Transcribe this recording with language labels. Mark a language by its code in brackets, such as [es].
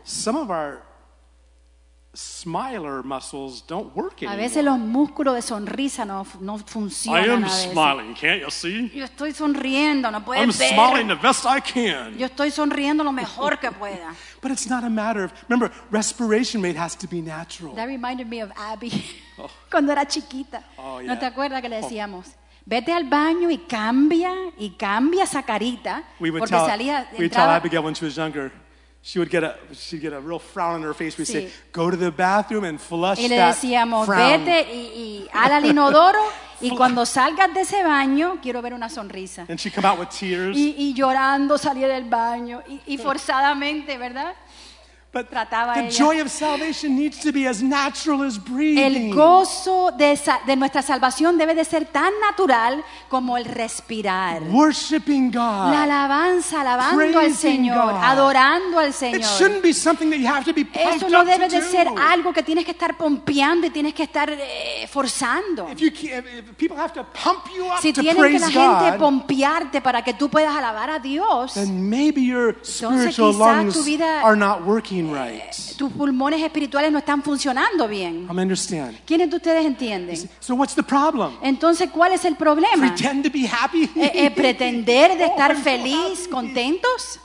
[en] Some of our smiler muscles don't work anymore. [es] A veces los músculos de sonrisa no funcionan. [en] I am smiling, can't you see? [es] Yo estoy sonriendo, no puedes [en] I'm [es] ver. [en] I'm smiling the best I can. [es] Yo estoy sonriendo lo mejor que pueda. [en] But it's not a matter of, remember, respiration rate has to be natural. That reminded me of Abby [es] cuando era chiquita. [en] Oh, yeah. [es] ¿No te acuerdas que le decíamos? Vete al baño y cambia esa carita. [en] We would [es] porque [en] tell, [es] salía, [en] we tell Abigail when she was younger. She'd get a real frown on her face. We'd say, go to the bathroom and flush that frown. [es] Y le decíamos, vete y al inodoro y cuando salgas de ese baño, quiero ver una sonrisa. [en] And she'd come out with tears. [es] Y llorando salía del baño y forzadamente, ¿verdad? [en] But the joy of salvation needs to be as natural as breathing. [es] El gozo de nuestra salvación debe de ser tan natural como el respirar. [en] Worshiping God. [es] La alabanza, alabando al Señor, adorando al Señor. [en] It shouldn't be something that you have to be pumped up to do. [es] Eso no debe de ser algo que tienes que estar pompeando y tienes que estar forzando. [en] If people have to pump you up to praise God. [es] Si tienen que la gente pompearte para que tú puedas alabar a Dios. [en] Then maybe your spiritual lungs are not working. [es] Tus pulmones espirituales no están funcionando bien. [en] I understand. [es] ¿Quiénes de ustedes entienden? [en] So what's the problem? [es] Entonces, ¿cuál es el problema? [en] Pretend to be happy. [es] Pretender de estar feliz, contentos.